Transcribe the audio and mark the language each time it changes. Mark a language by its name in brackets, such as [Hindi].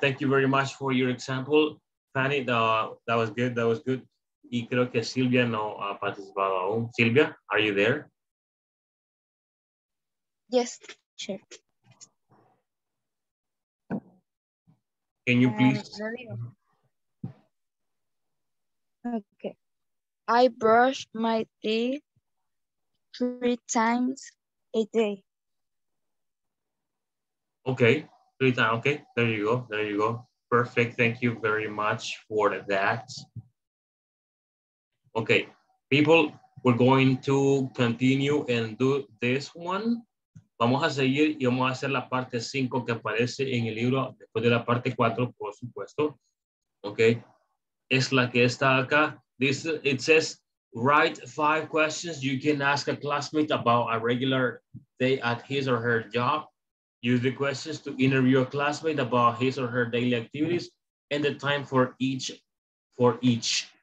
[English] Thank you very much for your example, Fanny. That was good. That was good. [Spanish] Y creo que Silvia no ha participado aún. [English] Silvia, are you there? Yes, teacher. Can you please? Okay. I brush my teeth 3 times a day. Okay, 3 times. Okay, there you go. Perfect. Thank you very much for that. Okay, people, we're going to continue and do this one. [Spanish] Vamos a seguir y vamos a hacer la parte 5 que aparece en el libro después de la parte 4, por supuesto. Okay, es la que está acá. [English] This, it says, write 5 questions you can ask a classmate about a regular day at his or her job. Use the questions to interview a classmate about his or her daily activities and the time for each.